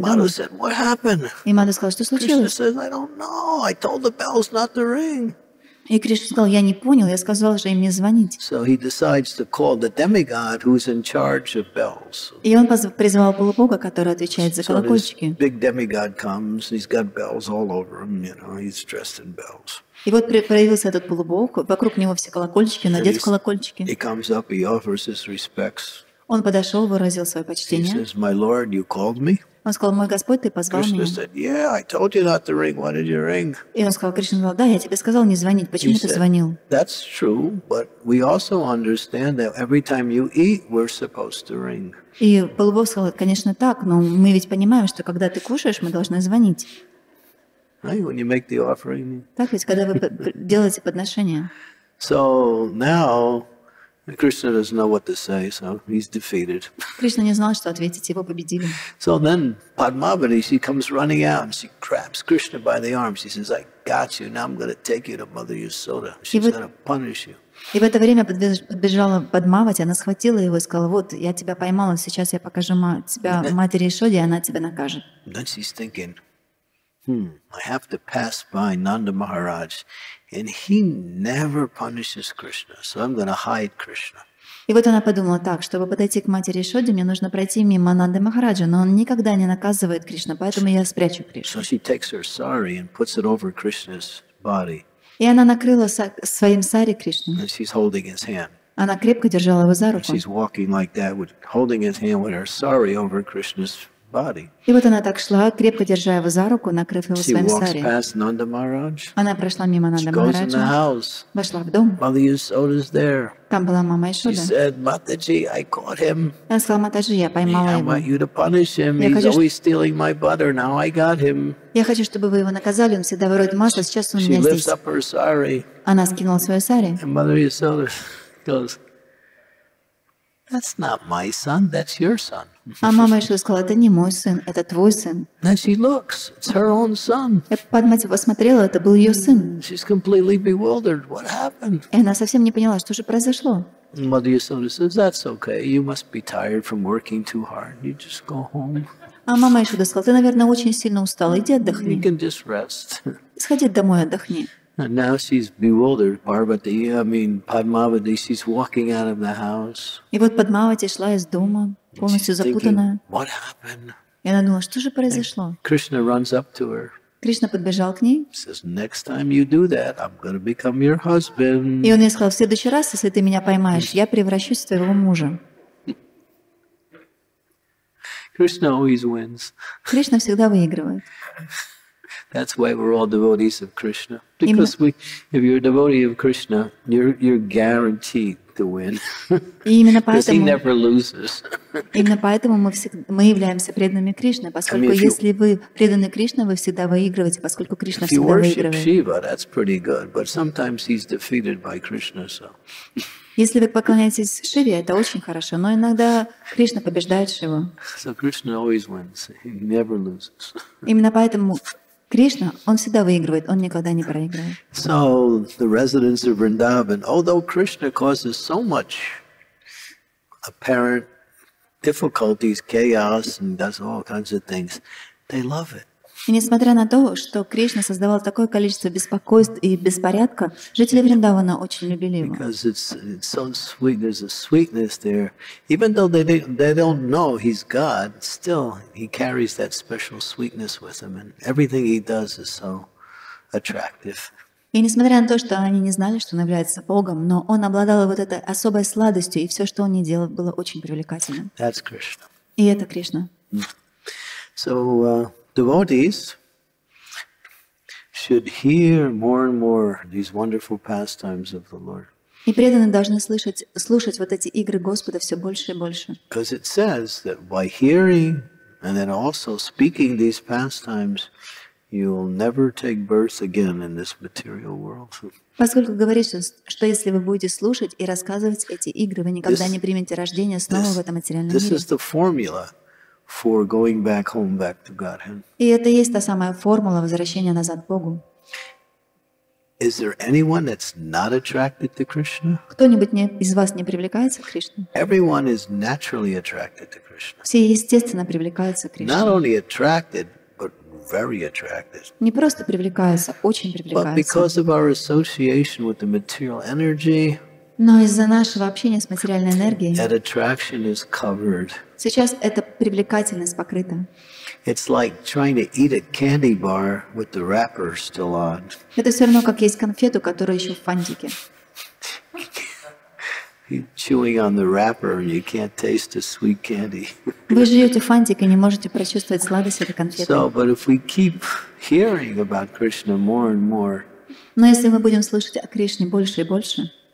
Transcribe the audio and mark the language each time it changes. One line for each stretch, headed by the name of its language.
Russian: дома.
English: Mother said, "What happened?"
Russian: И Мада сказала, что случилось?
English: Krishna says, "I don't know. I told the bells not to ring."
Russian: И Кришна сказал, я не понял, я сказал же им не звонить.
English: So he decides to call the demigod who's in charge of bells.
Russian: И он призвал полубога, который отвечает за колокольчики.
English: So this big demigod comes, he's got bells all over him, you know, he's dressed in bells.
Russian: И вот появился этот полубог, вокруг него все колокольчики, надет колокольчики.
English: He comes up, he offers his respects.
Russian: Он подошел, выразил свое почтение.
English: He says, "My lord, you called me?"
Russian: Он сказал, мой Господь, ты позвал
English: Krishna
Russian: меня.
English: Said, "Yeah, I told you not to ring. Why did you ring?"
Russian: И он сказал, Кришна сказал, да, я тебе сказал не звонить. Почему
English: He
Russian: ты звонил?
English: Said, "That's true, but we also understand that every time you eat, we're supposed to ring."
Russian: И полубог сказал, конечно так, но мы ведь понимаем, что когда ты кушаешь, мы должны звонить.
English: Right, when you make the offering.
Russian: Так ведь, когда вы делаете подношение.
English: So now Krishna doesn't know what to say, so he's defeated.
Russian: Кришна не знал, что ответить, его победили.
English: So then Padmavati, she comes running out and she grabs Krishna by the arm. She says, "I got you. Now I'm going to take you to Mother Yasoda. She's going to punish you."
Russian: И в это время подбежала Падмавати, она схватила его и сказала, вот, я тебя поймала, сейчас я покажу тебя матери Ясоде, и она тебя накажет.
English: Then she's thinking, I have to pass by Nanda Maharaj. And he never punishes Krishna, so I'm going to hide Krishna.
Russian: И вот она подумала так, чтобы подойти к матери Ясоде, мне нужно пройти мимо Нанды Махараджа, но он никогда не наказывает Кришну, поэтому я спрячу Кришну.
English: So she takes her sari and puts it over Krishna's body.
Russian: И она накрыла своим сари Кришну.
English: And she's holding his hand.
Russian: Она крепко держала его за руку.
English: She's walking like that, holding his hand with her sari over Krishna's body.
Russian: И вот она так шла, крепко держа его за руку, накрыв его своим сари. Она прошла мимо Нанда Махараджа, вошла в дом.
English: Mother Yasoda's there.
Russian: Там была мама Ясода.
English: She said, "Mataji, I caught him.
Russian: Она сказала, Матаджи, я поймала его.
English: I want you to punish him. He's always stealing my butter. Now I got him."
Russian: Я хочу, чтобы вы его наказали. Он всегда ворует масло. Сейчас он у меня здесь.
English: She lifts up her sari.
Russian: Она скинула свое сари.
English: And Mother Yasoda goes, "That's not my son, that's your son."
Russian: А мама Ясоды сказала, это не мой сын, это твой сын.
English: Then she looks, it's her own son.
Russian: Падмати посмотрела, это был ее сын.
English: She's completely bewildered, what happened?
Russian: И она совсем не поняла, что же произошло.
English: Mother Ясоды says, "That's okay, you must be tired from working too hard, you just go home."
Russian: А мама Ясоды сказала, ты, наверное, очень сильно устала, иди отдохни.
English: You can just rest.
Russian: Сходи домой, отдохни.
English: And now she's bewildered, Padmavati, she's walking out of the house.
Russian: И вот Падмавати шла из дома, полностью запутанная.
English: What happened?
Russian: И она думала, что же произошло?
English: Krishna runs up to her.
Russian: Кришна подбежал к ней.
English: Says, "Next time you do that, I'm going to become your husband."
Russian: И он ей сказал, в следующий раз, если ты меня поймаешь, я превращусь в твоего мужа.
English: Krishna always wins.
Russian: Кришна всегда выигрывает.
English: That's why we're all devotees of Krishna. Because if you're a devotee of Krishna, you're guaranteed to win. Because he never loses.
Russian: Именно поэтому мы являемся преданными Кришны, поскольку если вы преданы Кришне, вы всегда выигрываете, поскольку Кришна всегда выигрывает.
English: If you worship Shiva, that's pretty good. But sometimes he's defeated by Krishna, so.
Russian: Если вы поклоняетесь Шиве, это очень хорошо, но иногда Кришна побеждает Шиву.
English: So Krishna always wins. He never loses.
Russian: Именно поэтому Кришна, он всегда выигрывает, он никогда не проигрывает.
English: So the residents of Vrindavan, although Krishna causes so much apparent difficulties, chaos, and does all kinds of things, they love it.
Russian: И несмотря на то, что Кришна создавал такое количество беспокойств и беспорядка, жители Вриндавана очень любили его.
English: Because it's so sweet, there's a sweetness there. Even though they don't know he's God, still he carries that special sweetness with him, and everything he does is so attractive.
Russian: И несмотря на то, что они не знали, что он является Богом, но он обладал вот этой особой сладостью, и все, что он не делал, было очень привлекательным.
English: That's Krishna.
Russian: И это Кришна.
English: So devotees should hear more and more these wonderful pastimes of the Lord.
Russian: И преданные должны слушать вот эти игры Господа все больше и больше.
English: Because it says that by hearing and then also speaking these pastimes, you'll never take birth again in this material world.
Russian: Поскольку говорится, что если вы будете слушать и рассказывать эти игры, вы никогда не примете рождение снова в этом материальном мире.
English: This is the formula for going back home, back to Godhead.
Russian: И это есть та самая формула возвращения назад к Богу.
English: Is there anyone that's not attracted to Krishna?
Russian: Кто-нибудь из вас не привлекается к Кришне?
English: Everyone is naturally attracted to Krishna.
Russian: Все естественно привлекаются к Кришне.
English: Not only attracted, but very attracted.
Russian: Не просто привлекаются, очень привлекаются.
English: But because of our association with the material energy,
Russian: но из-за нашего общения с материальной энергией,
English: that attraction is covered.
Russian: Сейчас эта привлекательность покрыта.
English: It's like trying to eat a candy bar with the wrapper still on.
Russian: Это все равно, как есть конфету, которая еще в фантике.
English: You're chewing on the wrapper and you can't taste the sweet candy.
Russian: Вы жуете фантик и не можете прочувствовать сладость этой конфеты.
English: So, but if we keep hearing about Krishna more and more,
Russian: но если мы будем слышать о Кришне больше и больше,